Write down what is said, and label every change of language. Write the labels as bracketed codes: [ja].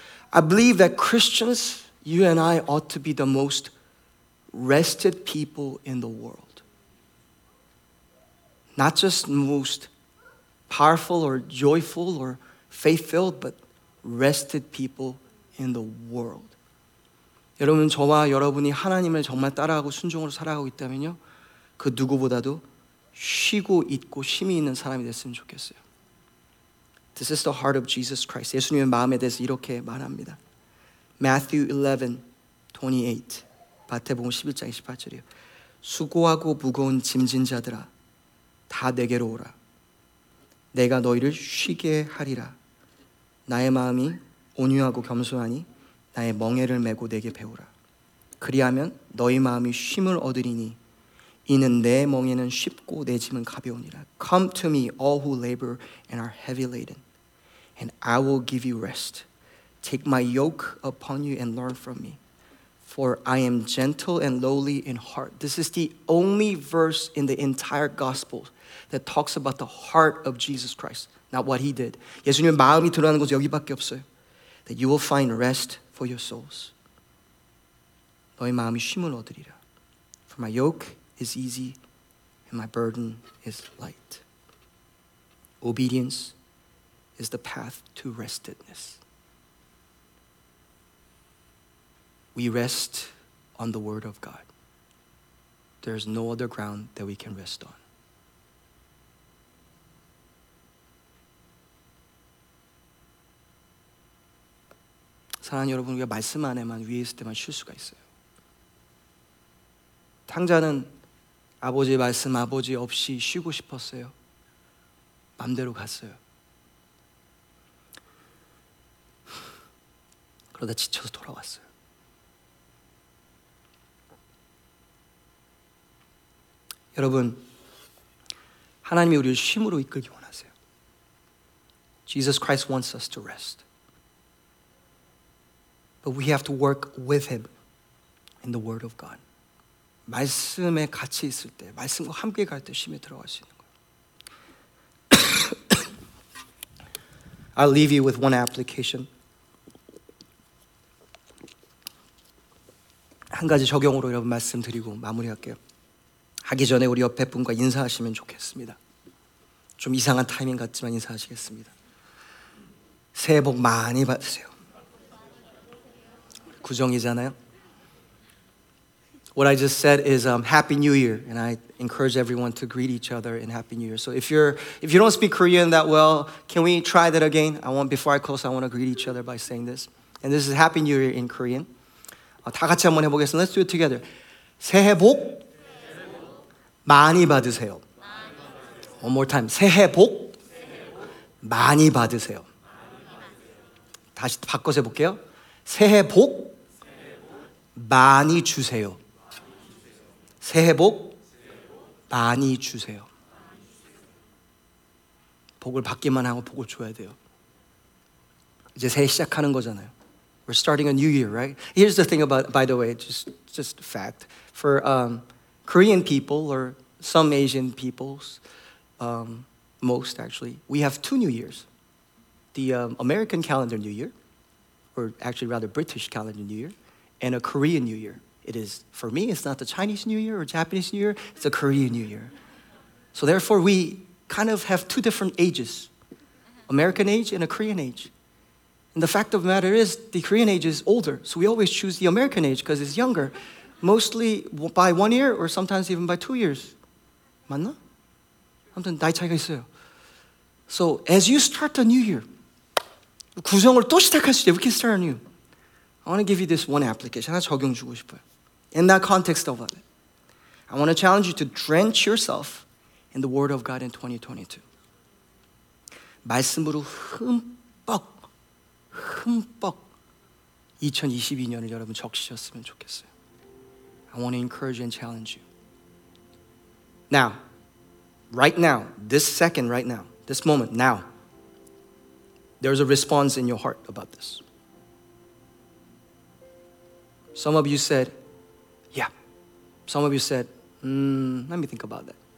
[en] I believe that Christians, you and I ought to be the most rested people in the world. Not just most powerful or joyful or faith-filled, but rested people in the world. [ko] 여러분, 저와 여러분이 하나님을 정말 따라하고 순종으로 살아가고 있다면요, 그 누구보다도 쉬고 있고 쉼이 있는 사람이 됐으면 좋겠어요. [en] This is the heart of Jesus Christ. [ko] 예수님의 마음에 대해서 이렇게 말합니다. [en] Matthew 11:28. [ko] 마태복음 11장 28절이요. 수고하고 무거운 짐진 자들아, 다 내게로 오라. 내가 너희를 쉬게 하리라. 나의 마음이 온유하고 겸손하니 나의 멍에를 메고 내게 배우라. 그리하면 너희 마음이 쉼을 얻으리니 이는 내 멍에는 쉽고 내 짐은 가벼우니라. [en] Come to me, all who labor and are heavy laden, and I will give you rest. Take my yoke upon you and learn from me. For I am gentle and lowly in heart. This is the only verse in the entire gospel that talks about the heart of Jesus Christ, not what he did. [ko] 예수님의 마음이 드러나는 곳이 여기밖에 없어요. [en] That you will find rest for your souls. [ko] 너의 마음이 쉼을 얻으리라. [en] For my yoke is easy and my burden is light. Obedience is the path to restedness. We rest on the word of God. There's no other ground that we can rest on. [ko] 사랑하는 여러분, 우리가 말씀 안에만 위에 있을 때만 쉴 수가 있어요. 탕자는 아버지의 말씀, 아버지 없이 쉬고 싶었어요. 맘대로 갔어요. 그러다 지쳐서 돌아왔어요. 여러분, 하나님이 우리를 쉼으로 이끌기 원하세요. [en] Jesus Christ wants us to rest. But we have to work with him in the word of God. [ko] 말씀에 같이 있을 때, 말씀과 함께 갈 때 쉼에 들어갈 수 있는 거예요. [en] I'll leave you with one application. [ko] 한 가지 적용으로 여러분 말씀드리고 마무리할게요. 하기 전에 우리 옆에 분과 인사하시면 좋겠습니다. 좀 이상한 타이밍 같지만 인사하시겠습니다. 새해 복 많이 받으세요. 구정이잖아요. [en] What I just said is Happy New Year, and I encourage everyone to greet each other in Happy New Year. So if you don't speak Korean that well, can we try that again? Before I close, I want to greet each other by saying this. And this is Happy New Year in Korean. [ko] 다 같이 한번 해보겠습니다. [en] Let's do it together. [ko] 새해 복 많이 받으세요. [en] One more time. [ko] 새해 복 많이 받으세요. 다시 바꿔서 해볼게요. 새해 복 많이 주세요. 새해 복 많이 주세요. 복을 받기만 하고 복을 줘야 돼요. 이제 새해 시작하는 거잖아요. [en] We're starting a new year, right? Here's the thing about, by the way, just a fact. For Korean people or some Asian peoples, most actually, we have two new years. The American calendar new year, or actually rather British calendar new year, and a Korean new year. It is, for me, it's not the Chinese New Year or Japanese New Year, it's the Korean New Year. So therefore, we kind of have two different ages, American age and a Korean age. And the fact of the matter is the Korean age is older. So we always choose the American age because it's younger. Mostly by 1 year or sometimes even by 2 years. [ko] 맞나? 아무튼 나이 차이가 있어요. [en] So as you start the new year, [ko] 구정을 또 시작할 수 있어요. [en] We can start anew. I want to give you this one application. [ko] 하나 적용 주고 싶어요. [en] In that context of it, I want to challenge you to drench yourself in the word of God in 2022. [ko] 말씀으로 흠뻑 2022년을 여러분 적시셨으면 좋겠어요. [en] I want to encourage and challenge you. Now, right now, this second right now, this moment, now, there's a response in your heart about this. Some of you said, yeah. Some of you said, let me think about that.